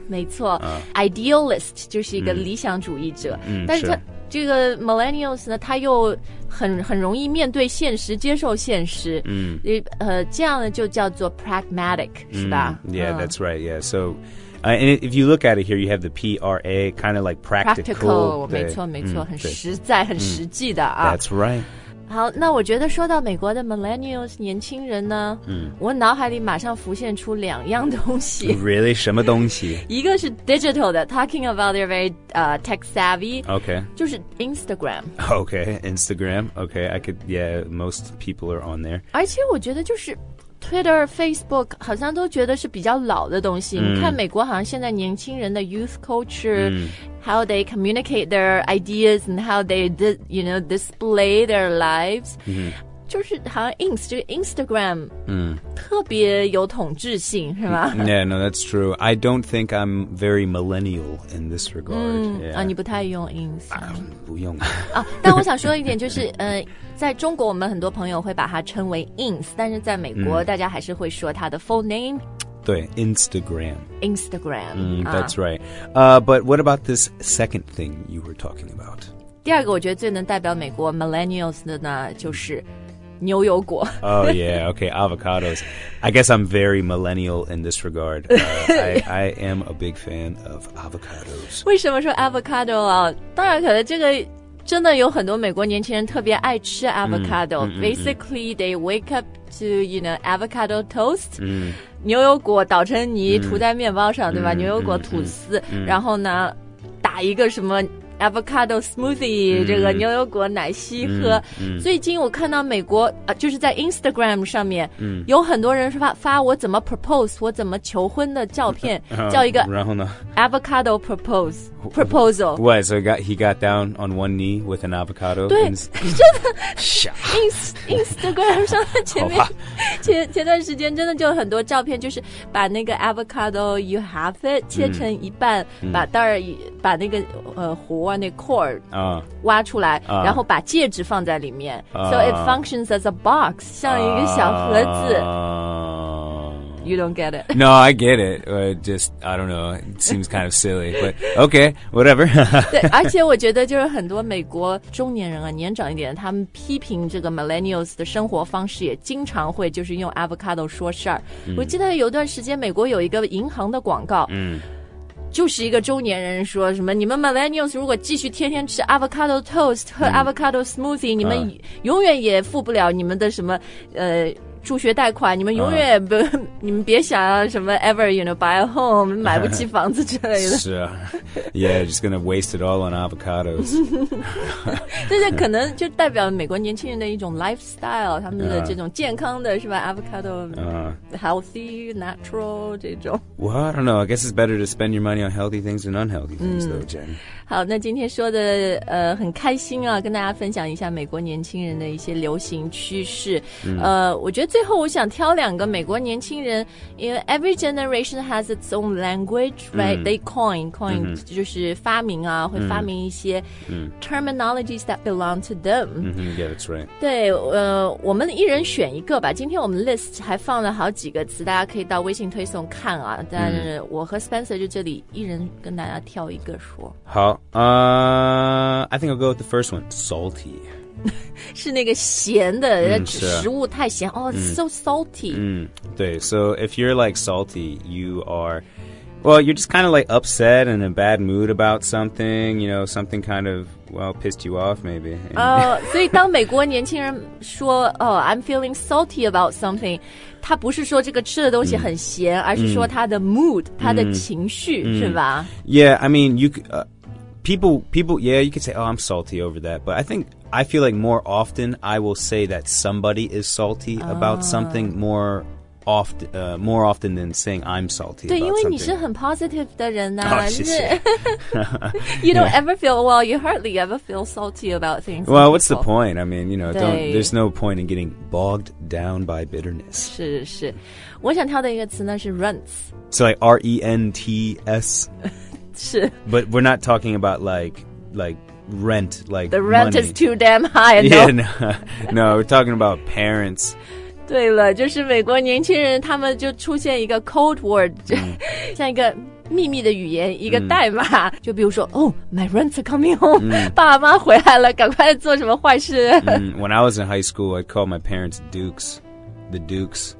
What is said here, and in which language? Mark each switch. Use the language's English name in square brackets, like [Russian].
[Chinese] 没错、idealist 就是一个理想主义者。嗯、但是这个 millennials 呢，他又很容易面对现实，接受现实。嗯，这样呢就叫做 pragmatic，、嗯、是吧 [English] ？Yeah,、that's right. Yeah. So,、and if you look at it here, you have the P R A, kind of like practical. [Chinese] 没错，没错，很实在，很实际的啊。 [English] That's right. [Chinese] 好，那我觉得说到美国的 millennials 年轻人呢，嗯，我脑海里马上浮现出两样东西。 Really， 什么东西？一个是 [English] digital 的 ，talking about they're very tech savvy。 Okay。 [Chinese] 就是 Instagram。 [English] Okay， Instagram。 Okay， I could yeah， most people are on there。 [Chinese] 而且我觉得就是 Twitter、Facebook 好像都觉得是比较老的东西。嗯、你看美国好像现在年轻人的 youth culture、嗯。 [English] How they communicate their ideas and how they, you know, display their lives.、 Mm-hmm. [Chinese] 就是好像 Ins 这个 Instagram 特别有统治性是吧 [English] Yeah, no, that's true. I don't think I'm very millennial in this regard. [Chinese] 你不太用 Ins、不用啊。但我想说一点就是在中国我们很多朋友会把它称为 Ins, 但是在美国大家还是会说它的 full name 对 Instagram [English] Instagram、 That's right、But what about this second thing you were talking about? [Chinese] 第二个我觉得最能代表美国 millennials 的呢就是牛油果 [English] Oh yeah, okay, avocados I guess I'm very millennial in this regard、I am a big fan of avocados [Chinese] 为什么说 avocado 啊当然可能这个真的有很多美国年轻人特别爱吃 avocado、 [English] Basically they wake up to you know, avocado toast、 [Chinese] 牛油果捣成泥涂在面包上、对吧牛油果吐司、然后呢打一个什么 avocado smoothie、这个牛油果奶昔喝、最近我看到美国、就是在 Instagram 上面、有很多人发我怎么 propose 我怎么求婚的照片、叫一个然后呢 [English] avocado proposal What so he got down on one knee with an avocado [Chinese] 对真的 Instagram 上的前面前段时间真的就很多照片就是把那个 avocado [English] you have it [Chinese] 切成一半、把袋儿把那个核啊那 core 啊挖出来、然后把戒指放在里面、 [English] so it functions as a box [Chinese] 像一个小盒子、 [English] You don't get it. No, I get it. Just, I don't know. It seems kind of silly. But okay, whatever. [Chinese] 对，而且我觉得就是很多美国中年人啊，年长一点，他们批评这个 millennials 的生活方式，也经常会就是用 avocado 说事儿。我记得有段时间，美国有一个银行的广告。就是一个中年人说什么你们 millennials 如果继续天天吃 avocado toast 和 avocado smoothie、你们永远也付不了你们的什么助学贷款你们永远不、你们别想要什么 [English] ever you know buy a home [Chinese] 买不起房子之类的是啊 [English] yeah just gonna waste it all on avocados [Chinese] 这就可能就代表美国年轻人的一种 lifestyle 他们的这种健康的是吧 avocado healthy natural 这种 [English] well I don't know I guess it's better to spend your money on healthy things than unhealthy things though Jen [Chinese] 好那今天说的很开心啊跟大家分享一下美国年轻人的一些流行趋势、我觉得最后我想挑两个美国年轻人 因为 [English] every generation has its own language right? They coin [Chinese] 就是发明啊会发明一些 [English] terminologies that belong to them Yeah that's right [Chinese] 对我们一人选一个吧今天我们 list 还放了好几个词大家可以到微信推送看啊但是我和 Spencer 就这里一人跟大家挑一个说 [English] 好I think I'll go with the first one Salty [Chinese] 是那个咸的食物太咸哦、 [English] so salty 对 so if you're like salty you are well you're just kind of like upset and in a bad mood about something you know something kind of well pissed you off maybe [Chinese] 所以当美国年轻人说 [English] oh, I'm feeling salty about something [Chinese] 他不是说这个吃的东西很咸、而是说他的 mood、他的情绪、是吧 [English] yeah I mean you people yeah you could say oh I'm salty over that but I feel like more often I will say that somebody is salty about something more often than saying I'm salty [Chinese] 对因为你是很 positive 的人啊、oh, 是 [English] you don't、yeah. ever feel well you hardly ever feel salty about things well what's the point I mean you know don't, there's no point in getting bogged down by bitterness [Chinese] 是是我想挑的一个词呢是 rents [English] so like R-E-N-T-S [Chinese] 是 [English] but we're not talking about like rent like the rent、 money. is too damn high no. Yeah, no we're talking about parents [Chinese] 对了就是美国年轻人他们就出现一个 code word、像一个秘密的语言一个代码、就比如说 [English] oh my rent's coming home、 [Chinese] 爸妈回来了赶快做什么坏事、 [English] when I was in high school I called my parents dukes the dukes